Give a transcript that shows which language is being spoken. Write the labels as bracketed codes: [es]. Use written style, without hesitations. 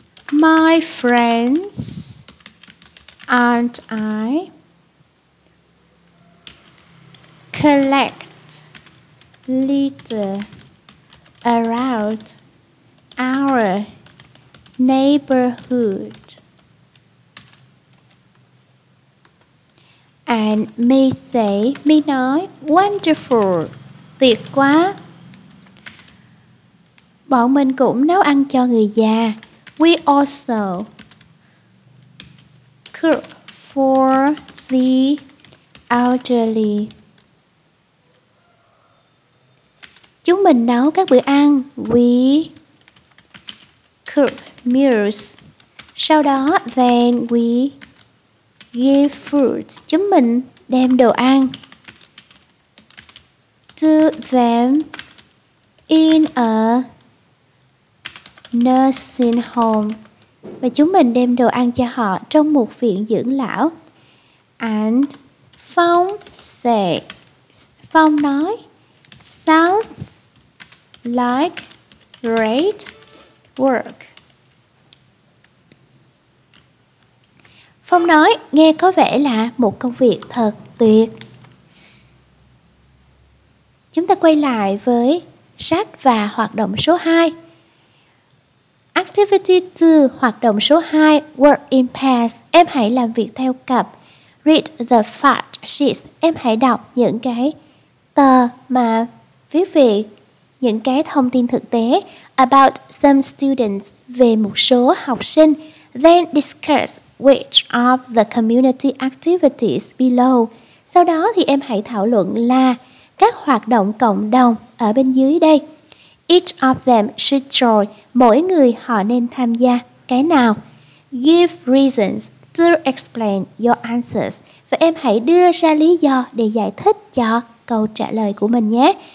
[en] My friends and I collect litter around our neighborhood and me say, [vi] me nói, [en] wonderful, [vi] tuyệt quá. Bọn mình cũng nấu ăn cho người già. [en] We also cook for the elderly. [vi] Chúng mình nấu các bữa ăn. [en] We cook meals. [vi] Sau đó, [en] then we give food. [vi] Chúng mình đem đồ ăn [en] to them in a nursing home. [vi] Và chúng mình đem đồ ăn cho họ trong một viện dưỡng lão. [en] And Phong says, [vi] Phong nói, [en] sounds like great work. [vi] Phong nói, nghe có vẻ là một công việc thật tuyệt. Chúng ta quay lại với sách và hoạt động số 2. [en] Activity 2, [vi] hoạt động số 2, [en] work in pairs. [vi] Em hãy làm việc theo cặp. [en] Read the fact sheets. [vi] Em hãy đọc những cái tờ mà viết về những cái thông tin thực tế. [en] About some students, [vi] về một số học sinh. [en] Then discuss which of the community activities below. [vi] Sau đó thì em hãy thảo luận là các hoạt động cộng đồng ở bên dưới đây. [en] Each of them should join. [vi] Mỗi người họ nên tham gia cái nào? [en] Give reasons to explain your answers. [vi] Và em hãy đưa ra lý do để giải thích cho câu trả lời của mình nhé.